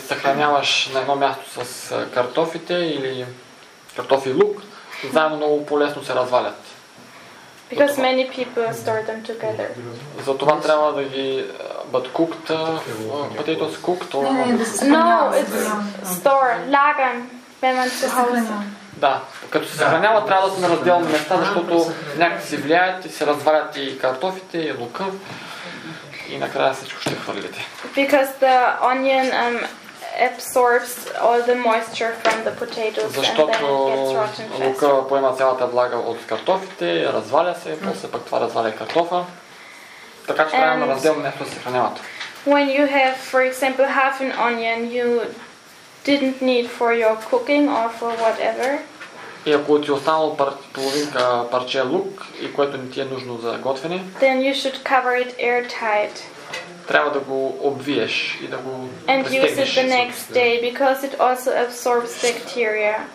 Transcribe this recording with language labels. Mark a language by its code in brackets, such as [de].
[bg] Съхраняваш на едно място с картофите или картофи лук, заедно много по-лесно се развалят. [en] Because many people store them together. [bg] Затова трябва да ги бъдат [en] cooked, potatoes cooked or no, it's store, lagern, when one to house. [bg] Да, като се съхранява, трябва да са на разделни места, защото някак си влияят и се развалят и картофите, и лука. И накрая всичко ще хвърлите. [en] Because the onion absorbs all the moisture from the potatoes and then gets [bg] защото лука поема цялата влага от картофите, разваля се, после пък това разваля картофа. Така че трябва на разделно място да се съхраняват. [en] When you have, for example, half an onion, you didn't need for your cooking or for whatever. [bg] И ако ти останало половинка парче лук и което не ти е нужно за готвене, [en] then you should cover it airtight. [bg] Трябва да го обвиеш и да го [en] and use it the next day because it also absorbs bacteria.